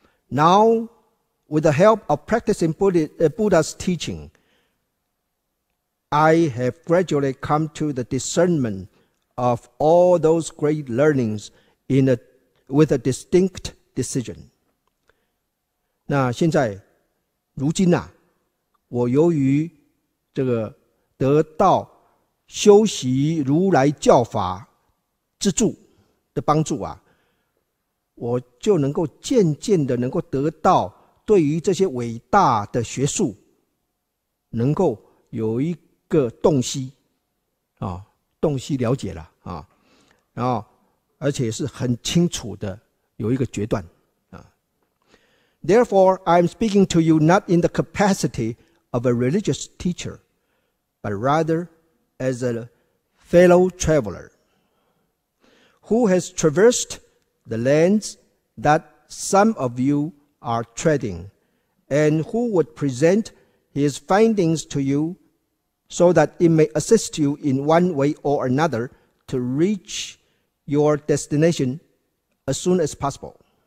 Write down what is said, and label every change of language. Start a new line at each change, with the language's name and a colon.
English: Now, with the help of practicing Buddha's teaching, I have gradually come to the discernment of all those great learnings with a distinct decision.
Chinese: 那现在，如今啊，我由于这个得到修习如来教法之助的帮助啊，我就能够渐渐的能够得到对于这些伟大的学术能够有一个洞悉啊，洞悉了解了啊，然后而且是很清楚的有一个决断啊。
English: Therefore, I am speaking to you not in the capacity of a religious teacher, but rather as a fellow traveler who has traversed the lands that some of you are treading, and who would present his findings to you so that it may assist you in one way or another to reach your destination as soon as possible.